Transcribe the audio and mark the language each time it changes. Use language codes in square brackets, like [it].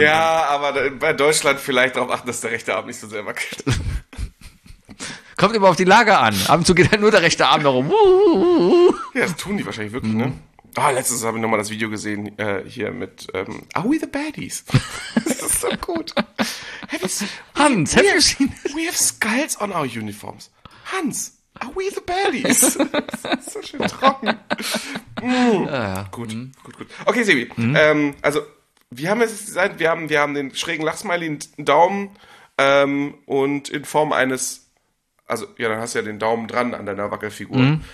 [de] ja, aber bei Deutschland vielleicht darauf achten, dass der rechte Arm nicht so sehr wackelt. Kommt immer auf die Lage an. Ab und zu geht halt nur der rechte Arm darum. Ja, das tun die wahrscheinlich wirklich, ne? Ah, oh, letztens habe ich nochmal das Video gesehen, hier mit, Are We the Baddies? Das ist so gut. [en] We have skulls on our uniforms. Hans, are we the baddies? [de] Das ist so schön trocken. Gut. Okay, Sebi, also, wir haben es gesagt, wir haben den schrägen Lachsmiley, einen Daumen, und in Form eines, also, ja, dann hast du ja den Daumen dran an deiner Wackelfigur. Mhm.